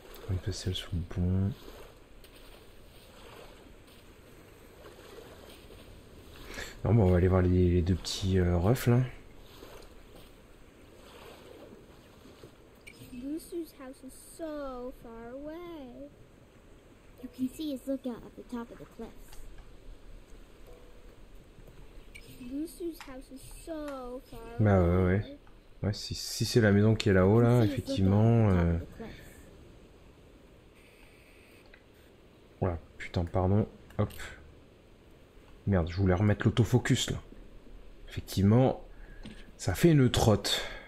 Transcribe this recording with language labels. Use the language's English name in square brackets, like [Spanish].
[French] Une facelle sur le pont. Non, bon, on va aller voir les deux petits refs, là. [English] Booster's house is so far away. You can see his lookout at the top of the cliffs. Booster's house is so far away. [French] Bah ouais, ouais. Ouais, si c'est la maison qui est là-haut, là, effectivement... Voilà, putain, pardon. Hop. Merde, je voulais remettre l'autofocus, là. Effectivement, ça fait une trotte.